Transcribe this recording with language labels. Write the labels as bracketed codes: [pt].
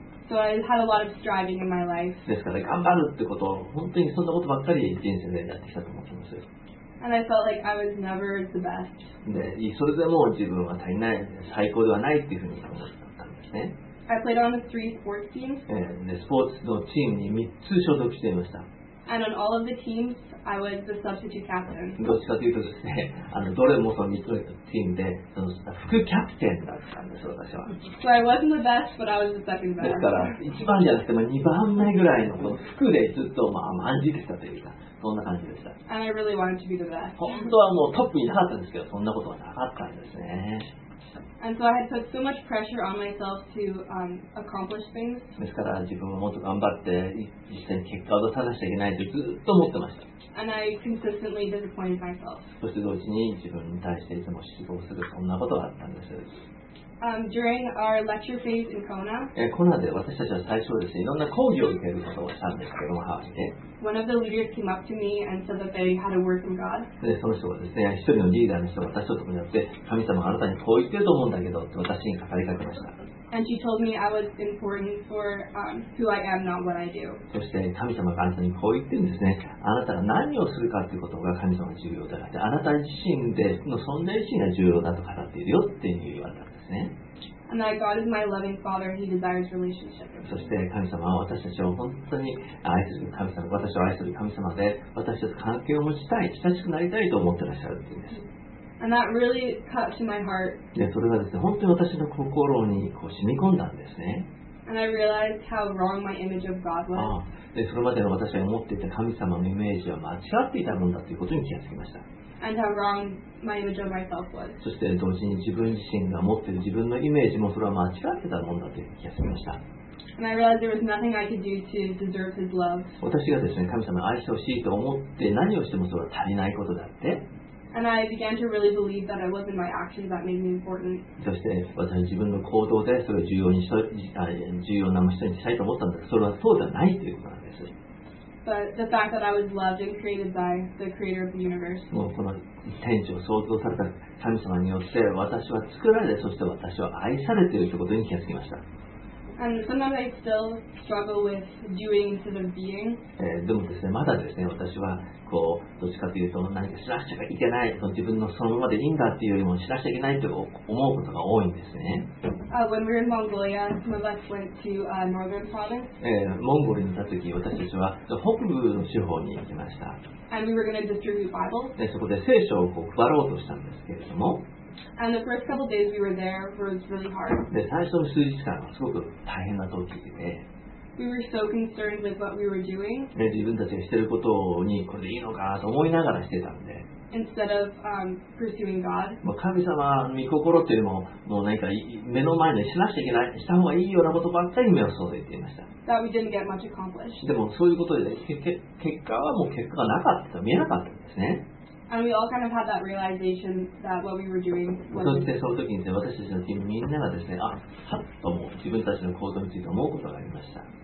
[en] So I had a lot of striving in my life. [ja] ですから頑張るってこと、本当にそんなことばっかり人生でやってきたと思ってます。 [en] And I felt like I was never the best. [ja] で、それでも自分は足りない、最高ではないっていうふうに思ったんですね。 [en] I played on the 3 sports teams. [ja] で、スポーツのチームに3つ所属していました。 [en] And on all of the teams, I was the substitute captain. [ja] どっちかというとですね、どれもその3つのチームで、その副キャプテンだったんです、私は。 [en] So I wasn't the best, but I was the second best. [ja] ですから、1番じゃなくても2番目ぐらいの、この副でずっと、満じてきたというか、そんな感じでした。 [en] And I really wanted to be the best. [ja] 本当はもうトップいなかったんですけど、そんなことはなかったんですね。 [en] And so I had put so much pressure on myself to accomplish things. [ja] ですから自分はもっと頑張って実際に結果を出さなきゃいけないとずっと思ってました。 [en] And I consistently disappointed myself. [ja] そして同時に自分に対していつも失望するそんなことがあったんです。 [en] during our lecture phase in Kona. [ja] Kona で私たちは最初ですね、いろんな講義を受けることをしたんですけども、ハワイで。 [en] One of the leaders came up to me and said that they had a word from God. [ja] で、その人がですね、一人のリーダーの人が私とともにやって、神様があなたにこう言ってると思うんだけどって私に語りかけました。 [en] And she told me I was important for who I am, not what I do. [ja] そして神様があなたにこう言ってるんですね。あなたが何をするかということが神様に重要だから、あなた自身での存在自身が重要だと語っているよっていう言われたんですね。 [en] And that God is my loving Father, and He desires relationship. [ja] そして神様は私たちを本当に愛する神様、私を愛する神様で、私たち関係を持ちたい、親しくなりたいと思ってらっしゃるっていうんです。 [en] And that really cut to my heart. [ja] でそれがですね、本当に私の心にこう染み込んだんですね。 [en] And I realized how wrong my image of God was. [ja] ああ、でそれまでの私が思っていた神様のイメージは間違っていたものだということに気がつきました。 [en] And how wrong my image of myself was. [ja] そして同時に自分自身が持っている自分のイメージもそれは間違ってたものだという気がつきました。 [en] And I realized there was nothing I could do to deserve His love. [ja] 私がですね、神様を愛してほしいと思って何をしてもそれは足りないことだって。 [en] And I began to really believe that it wasn't my actions that made me important. [ja] そして私は自分の行動でそれを重要な人にしたいと思ったんだけど、それはそうじゃないということなんです。 [en] But the fact that I was loved and created by the creator of the universe. [ja] もうこの天地を創造された神様によって私は作られ、そして私は愛されているということに気がつきました。 [en] And sometimes I still struggle with doing instead of being. [ja] でもですね、まだですね、私はこうどっちかというと何か知らしちゃいけない、自分のそのままでいいんだっていうよりも知らしちゃいけないと思うことが多いんですね。 [en] When we were in Mongolia, some of us went to Northern Province. [ja] モンゴルに行った時、私たちは北部の地方に行きました。 [en] And we were going to distribute Bibles. [ja] でそこで聖書をこう配ろうとしたんですけれども。 [en] And the first couple days we were there was really hard. [ja] で最初の数日間はすごく大変な時で。 [en] We were so concerned with what we were doing. [ja] 自分たちがしてることにこれでいいのかと思いながらしてたんで。 [en] Instead of pursuing God. [ja] 神様の御心っていうのも、もう何か目の前でしなくちゃいけない、した方がいいようなことばっかり目を注いでいました。 [en] That we didn't get much accomplished. [ja] でもそういうことで結果はもう結果がなかった、見えなかったんですね。 [en] And we all kind of had that realization that what we were doing was. [ja] そしてその時にですね、私たちのチームみんながですね、あ、はっと思う、自分たちの行動について思うことがありました。